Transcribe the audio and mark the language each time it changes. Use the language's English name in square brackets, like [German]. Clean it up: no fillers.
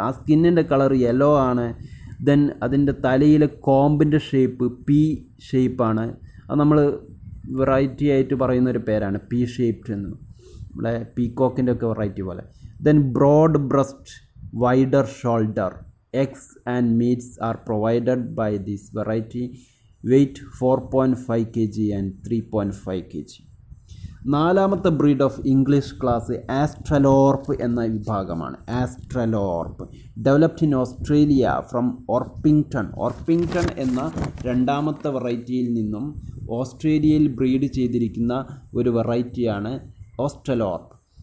[Malayalam] ആ സ്കിന്നിൻ്റെ colour yellow ആണ്. ദെൻ അതിൻ്റെ തലയിലെ കോമ്പിൻ്റെ ഷേപ്പ് പി ഷേപ്പാണ്. അത് നമ്മൾ വെറൈറ്റി ആയിട്ട് പറയുന്നൊരു പേരാണ്, പി ഷേപ്ഡ് എന്ന്, നമ്മുടെ പീകോക്കിൻ്റെ ഒക്കെ വെറൈറ്റി പോലെ. [English] Then broad breast, wider shoulder, eggs and meats are provided by this variety. Weight 4.5 kg and 3.5 kg. [Malayalam] നാലാമത്തെ [English] breed of English class [Malayalam] ആസ്ട്രലോർപ്പ് എന്ന വിഭാഗമാണ്. [English] Australorp developed in Australia from Orpington. [Malayalam] ഓർപ്പിംഗ്ടൺ എന്ന രണ്ടാമത്തെ വെറൈറ്റിയിൽ നിന്നും ഓസ്ട്രേലിയയിൽ ബ്രീഡ് ചെയ്തിരിക്കുന്ന ഒരു വെറൈറ്റിയാണ് ഓസ്ട്രലോർപ്പ്.